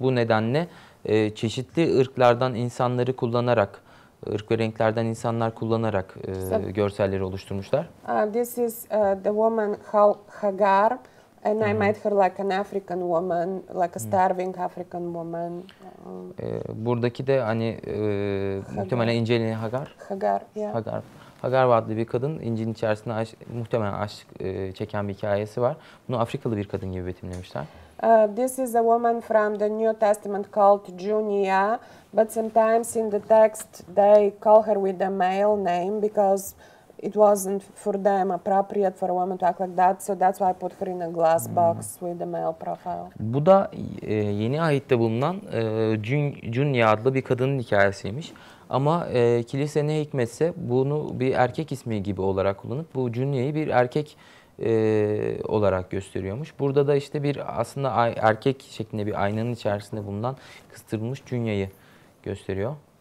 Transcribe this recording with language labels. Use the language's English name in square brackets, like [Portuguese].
[Turkish] Bu nedenle çeşitli ırklardan insanları kullanarak, ırk ve renklerden insanlar kullanarak görselleri oluşturmuşlar. [English] This is the woman Hagar, and I made her like an African woman, like a starving African woman. [Turkish] Buradaki de hani muhtemelen İncil'in Hagar. [English] Hagar, yeah. Hagar. [Turkish] Hagar adlı bir kadın, İncil'in içerisinde muhtemelen aşk çeken bir hikayesi var. Bunu Afrikalı bir kadın gibi betimlemişler. [English] This is a woman from the New Testament called Junia, but sometimes in the text they call her with a male name because it wasn't for them appropriate for a woman to act like that, so that's why I put her in a glass box with a male profile. [Turkish] Bu da Yeni Ahit'te bulunan Junia adlı bir kadının hikayesiymiş. Ama kilise ne hikmetse bunu bir erkek ismi gibi olarak kullanıp bu Junia'yı bir erkek olarak gösteriyormuş. Burada da işte bir aslında erkek şeklinde bir aynanın içerisinde bulunan kıstırılmış Junia'yı gösteriyor.